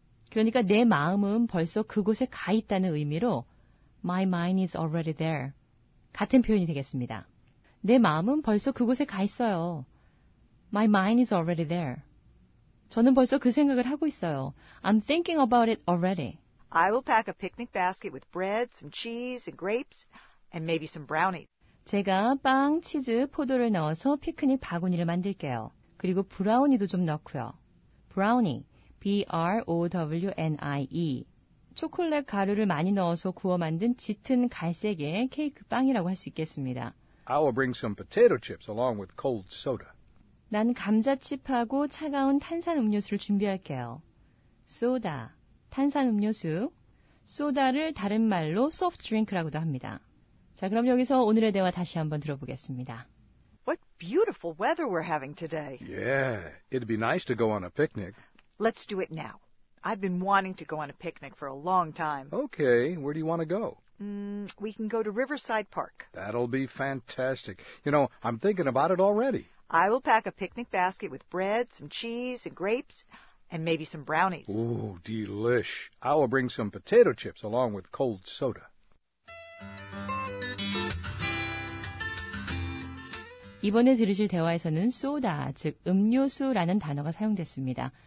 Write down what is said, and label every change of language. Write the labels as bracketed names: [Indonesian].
[Korean] 그러니까 내 마음은 벌써 그곳에 가 있다는 의미로 [English] My mind is already there. [Korean] 같은 표현이 되겠습니다. 내 마음은 벌써 그곳에 가 있어요. [English] My mind is already there. [Korean] 저는 벌써 그 생각을 하고 있어요. [English] I'm thinking about it already. I will pack a picnic basket with bread, some cheese, and grapes, and maybe some brownies. [Korean] 제가 빵, 치즈, 포도를 넣어서 피크닉 바구니를 만들게요. 그리고 브라우니도 좀 넣고요. 브라우니, B-R-O-W-N-I-E. 초콜릿 가루를 많이 넣어서 구워 만든 짙은 갈색의 케이크 빵이라고 할 수 있겠습니다. [English] I will bring some potato chips along with cold soda. [Korean] 난 감자칩하고 차가운 탄산음료수를 준비할게요. 소다, 탄산음료수. 소다를 다른 말로 soft drink라고도 합니다. 자, 그럼 여기서 오늘의 대화 다시 한번 들어보겠습니다. [English] What beautiful weather we're having today. Yeah, it'd be nice to go on a picnic. Let's do it now. I've been wanting to go on a picnic for a long time. Okay, where do you want to go? We can go to Riverside Park. That'll be fantastic. You know, I'm thinking about it already. I will pack a picnic basket with bread, some cheese, and grapes, and maybe some brownies. Ooh, delish. I will bring some potato chips along with cold soda. [Korean] 이번에 들으실 대화에서는 소다, 즉 음료수라는 단어가 사용됐습니다.